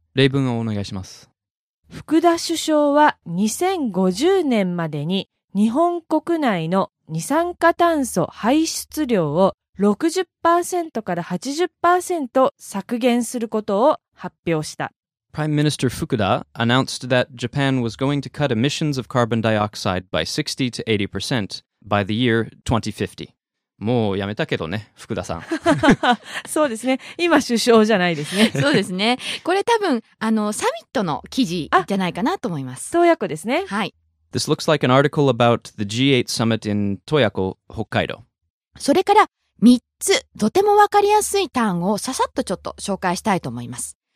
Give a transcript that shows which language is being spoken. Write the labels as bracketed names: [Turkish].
[Japanese] 例文をお願いします。福田首相は2050年までに日本国内の二酸化炭素排出量を 60% から 80% 削減することを発表した。 [English] Prime Minister Fukuda announced that Japan was going to cut emissions of carbon dioxide by 60 to 80% by the year 2050. [Japanese] もうやめたけどね、福田さん。そうですね。今首相じゃないですね。そうですね。これ多分、サミットの記事じゃないかなと思います。洞爺湖ですね。はい。 [English] This looks like an article about the G8 summit in 洞爺湖、北海道。 [Japanese] それから3つ、とてもわかりやすい単語をささっとちょっと紹介したいと思います。